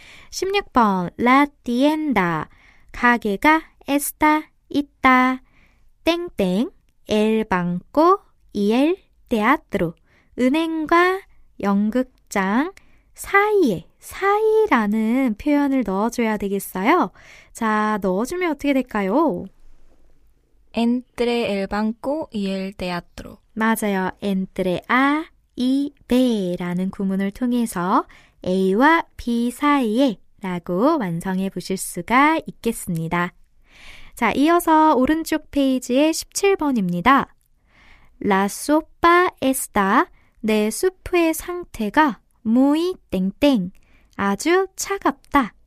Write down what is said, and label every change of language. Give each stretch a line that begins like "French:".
Korean: 16번
Spanish: La tienda
Korean: 가게가 esta, 있다 땡땡
Spanish: el banco y el teatro
Korean: 은행과 연극장 사이에 사이라는 표현을 넣어줘야 되겠어요. 자, 넣어주면 어떻게 될까요?
Spanish: Entre el banco y el teatro.
Korean: 맞아요. entre a E, B라는 구문을 통해서 A와 B 사이에라고 완성해 보실 수가 있겠습니다. 자, 이어서 오른쪽 페이지의 17번입니다.
Spanish: La sopa está,
Korean: 내 수프의 상태가 muy 땡땡, 아주 차갑다.